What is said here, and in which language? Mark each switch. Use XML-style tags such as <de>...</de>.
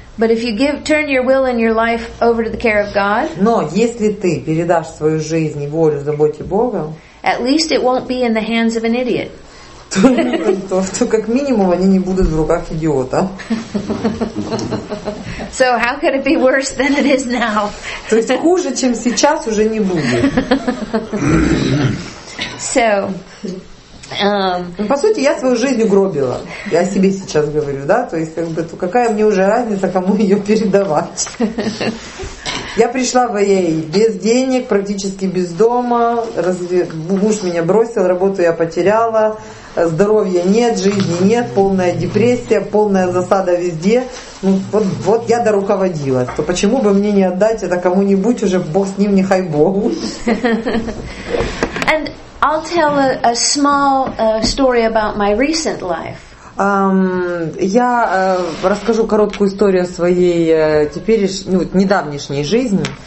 <en>But if you give turn your will and your life over to the care of God,</en> <ru>но если ты передашь свою жизнь и волю заботе Бога,</ru> <en>at least it won't be in the hands of an idiot.</en> <ru>То как минимум они не будут в руках идиота.</ru> <en>So how could it be worse than it is now?</en> <ru>То есть хуже, чем сейчас, уже не будет.</ru> <en>So,</en> <ru>по сути, я свою жизнь угробила. Я себе сейчас говорю, да? То есть как бы, то какая мне уже разница, кому ее передавать? Я пришла в АЭ без денег, практически без дома. Муж меня бросил, работу я потеряла. Здоровья нет, жизни нет, полная депрессия, полная засада везде. Ну, вот я доруководилась. То почему бы мне не отдать это кому-нибудь уже, Бог с ним, нехай Богу.</ru> <en>And I'll tell a small story about my recent life.</en> <ru>Я расскажу короткую историю о своей теперешней, недавнейшней жизни.</ru>